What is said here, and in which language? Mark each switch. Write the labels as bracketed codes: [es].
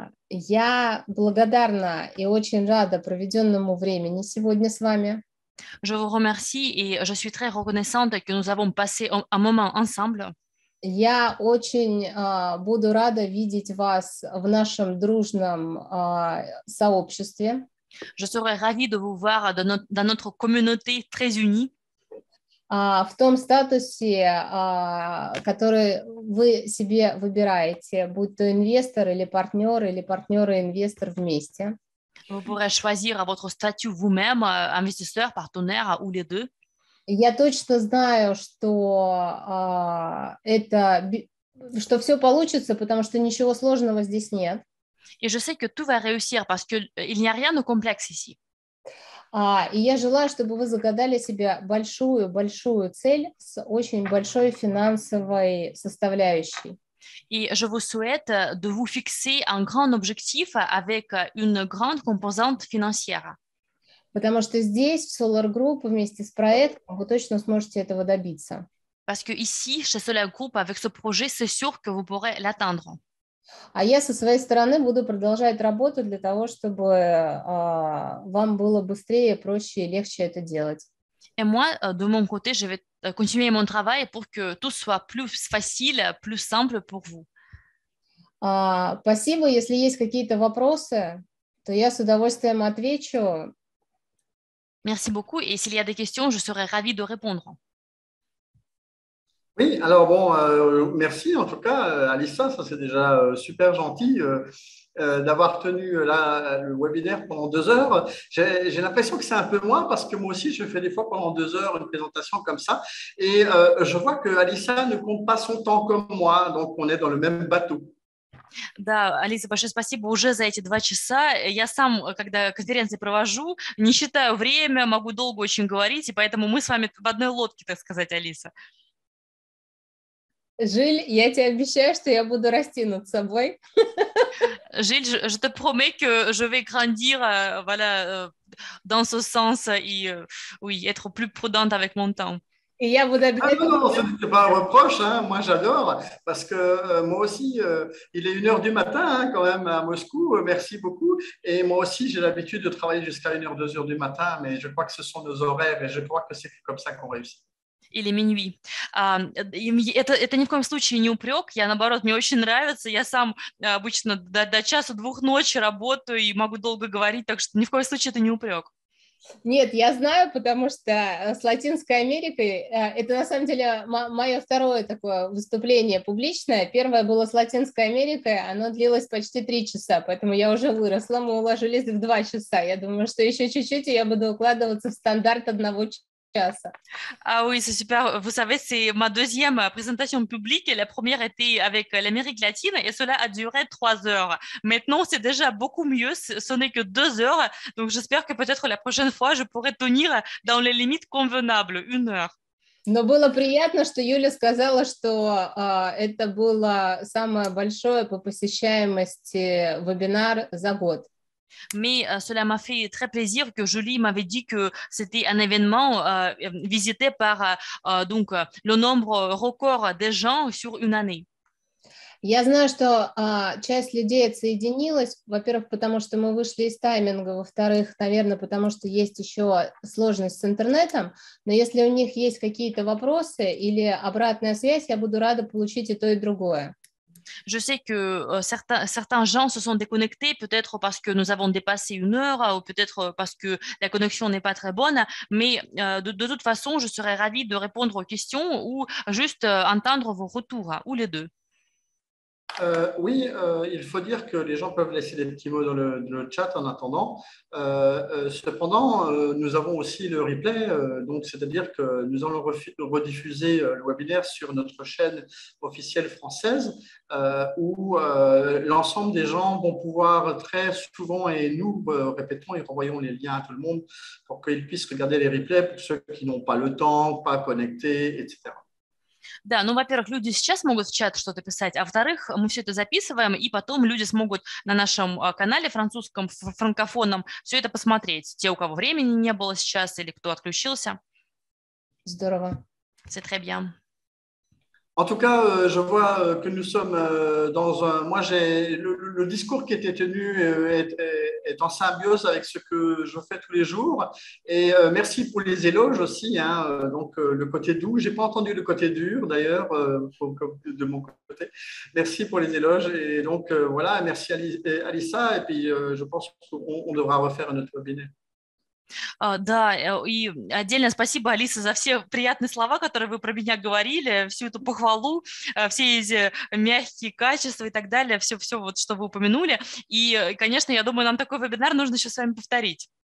[ru] Я благодарна и очень рада проведенному времени сегодня с вами. [fr] Je vous remercie et je suis très reconnaissante que nous avons passé un moment ensemble. [ru] Я очень буду рада видеть вас в нашем дружном сообществе. [fr] Je serai ravie de vous voir dans notre communauté très unie. [ru] В том статусе, который вы себе выбираете, будь то инвестор или партнер, или партнер и инвестор вместе. [fr] Vous pourrez choisir votre statut vous-même, investisseur, partenaire ou les deux. [ru] Я точно знаю, что это, что все получится, потому что ничего сложного здесь нет. [fr] Et je sais que tout va réussir parce que il n'y a rien de complexe ici. [ru] И я желаю, чтобы вы загадали себе большую-большую цель с очень большой финансовой составляющей. И [fr] je vous souhaite de vous fixer un grand objectif avec une grande composante financière. [ru] Потому что здесь, в Solar Group, вместе с проектом, вы точно сможете этого добиться. [fr] Parce que ici, chez Solar Group, avec ce projet, c'est sûr que vous pourrez l'atteindre. [ru] А я со своей стороны буду продолжать работу для того, чтобы вам было быстрее, проще и легче это делать. [fr] Et moi, de mon côté, je vais continuer mon travail pour que tout soit plus facile, plus simple pour vous. [ru] Спасибо. Если есть какие-то вопросы, то я с удовольствием отвечу. [fr] Merci beaucoup. Et s'il y a des questions, je serai ravie de répondre. Oui, alors bon, merci en tout cas, Alissa, ça c'est déjà super gentil d'avoir tenu le webinaire pendant 2 heures. J'ai l'impression que c'est un peu moins parce que moi aussi, je fais des fois pendant 2 heures une présentation comme ça. Et je vois que Alissa ne compte pas son temps comme moi, donc on est dans le même bateau. [ru] Да, Алиса, большое спасибо уже за эти 2 часа. Я сам, когда конференции провожу, не считаю время, могу долго очень говорить, и поэтому мы с вами в одной лодке, так сказать, Алиса. Жиль, я тебе обещаю, что я буду расти над собой. [fr] Жиль, je te promets que je vais grandir voilà, dans ce sens et oui, être plus prudente avec mon temps. Et [ru] я буду обязательно... [fr] Ah non, ce n'était pas un reproche, hein. Moi j'adore, parce que moi aussi, il est 1h du matin hein, quand même à Moscou, merci beaucoup. Et moi aussi, j'ai l'habitude de travailler jusqu'à 1h, 2h du matin, mais je crois que ce sont nos horaires et je crois que c'est comme ça qu'on réussit. [ru] Или минуит. Это ни в коем случае не упрек. Я, наоборот, мне очень нравится. Я сам обычно до часу двух ночи работаю и могу долго говорить, так что ни в коем случае это не упрек. Нет, я знаю, потому что с Латинской Америкой это на самом деле мое второе такое выступление публичное. Первое было с Латинской Америкой, оно длилось почти 3 часа, поэтому я уже выросла. Мы уложились в 2 часа. Я думаю, что еще чуть-чуть и я буду укладываться в стандарт 1 часа. [fr] Ah oui, c'est super. Vous savez, c'est ma deuxième présentation publique. La première était avec l'Amérique latine et cela a duré 3 heures. Maintenant, c'est déjà beaucoup mieux. Ce n'est que 2 heures. Donc, j'espère que peut-être la prochaine fois, je pourrai tenir dans les limites convenables, 1 heure. [ru] Но было приятно, что Юля сказала, что это было самое большое по посещаемости вебинар за год. [fr] Mais cela m'a fait très plaisir que Julie m'avait dit que c'était un événement visité par donc le nombre record des gens sur une année. [ru] Я знаю, что часть людей отсоединилась, во-первых, потому что мы вышли из тайминга, во-вторых, наверное, потому что есть еще сложность с интернетом, но если у них есть какие-то вопросы или обратная связь, я буду рада получить и то, и другое. [fr] Je sais que certains gens se sont déconnectés, peut-être parce que nous avons dépassé 1 heure ou peut-être parce que la connexion n'est pas très bonne, mais de toute façon, je serais ravie de répondre aux questions ou juste entendre vos retours, ou les deux. Oui, il faut dire que les gens peuvent laisser des petits mots dans le chat en attendant. Cependant, nous avons aussi le replay, donc c'est-à-dire que nous allons rediffuser le webinaire sur notre chaîne officielle française, où l'ensemble des gens vont pouvoir très souvent, et nous répétons et renvoyons les liens à tout le monde pour qu'ils puissent regarder les replays pour ceux qui n'ont pas le temps, pas connectés, etc. [ru] Да, ну, во-первых, люди сейчас могут в чат что-то писать, а во-вторых, мы все это записываем, и потом люди смогут на нашем канале французском, франкофонном, все это посмотреть, те, у кого времени не было сейчас или кто отключился. Здорово. [fr] C'est très bien. En tout cas, je vois que nous sommes dans un... Moi, j'ai... Le discours qui était tenu est en symbiose avec ce que je fais tous les jours. Et merci pour les éloges aussi. Hein. Donc, le côté doux. Je n'ai pas entendu le côté dur, d'ailleurs, de mon côté. Merci pour les éloges. Et donc, voilà, merci Alissa. Et puis, je pense qu'on devra refaire notre webinaire. [ru] Да, и отдельно спасибо, Алиса, за все приятные слова, которые вы про меня говорили, всю эту похвалу, все эти мягкие качества и так далее, все-все, вот, что вы упомянули. И, конечно, я думаю, нам такой вебинар нужно еще с вами повторить.